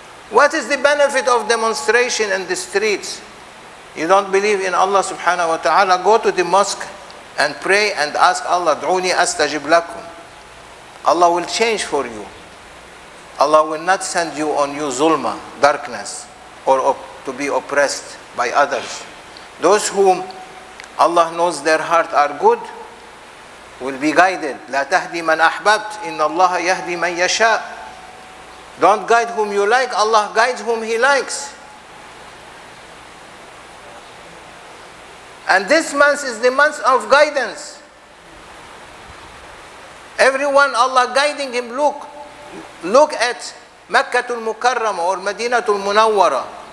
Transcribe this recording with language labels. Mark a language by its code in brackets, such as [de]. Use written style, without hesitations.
[en] What is the benefit of demonstration in the streets? You don't believe in Allah subhanahu wa ta'ala, go to the mosque and pray and ask Allah, [ar] "Duni astajib lakum." [en] Allah will change for you. Allah will not send you on you zulma, darkness, or to be oppressed by others. Those whom Allah knows their heart are good will be guided. [ar] لا تهدي من أحببت إن الله يهدي من يشاء. [en] Don't guide whom you like, Allah guides whom He likes. And this month is the month of guidance. Everyone, Allah guiding him, look at Makkah al-Mukarramah or Medina al-Munawwara.